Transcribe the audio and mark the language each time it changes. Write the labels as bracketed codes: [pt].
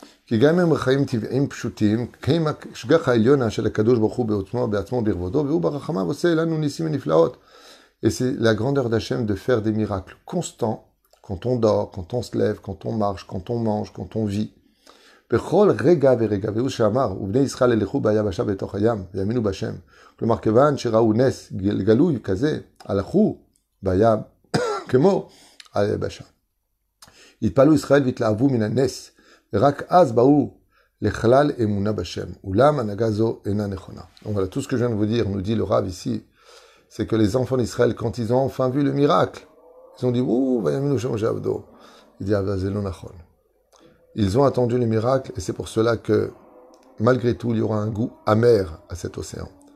[he] כי גם הם חיים טבעיים פשוטים, כי משגח העליון של הקדוש ברוך הוא בעצמו, בעצמו ברבודו, והוא ברחמיו עושה לנו ניסים ונפלאות. [fr] Et c'est la grandeur d'Hachem de faire des miracles constants, quand on dort, quand on se lève, quand on marche, quand on mange, quand on vit. [he] בכל רגע ורגע, והוא שאמר, ובני ישראל הלכו ביבשה בתוך הים, וימינו בשם. כלומר, כיוון שראו נס גלוי כזה, הלכו בים, כמו על היבשה. התפעלו ישראל והתלהבו מן הנס, רק אז באו לכלל אמונה בשם. אולם הנהגה זו אינה נכונה. [fr] Donc voilà, tout ce que je viens de vous dire, nous dit le Rav ici, c'est que les enfants d'Israël, quand ils ont enfin vu le miracle, ils ont dit, ouh, [he] vayaminu shem j'avdo. [fr] Il dit, [he] avazelo nachon. [fr] Ils ont attendu le miracle, et c'est pour cela que, malgré tout, il y aura un goût amer à cet océan.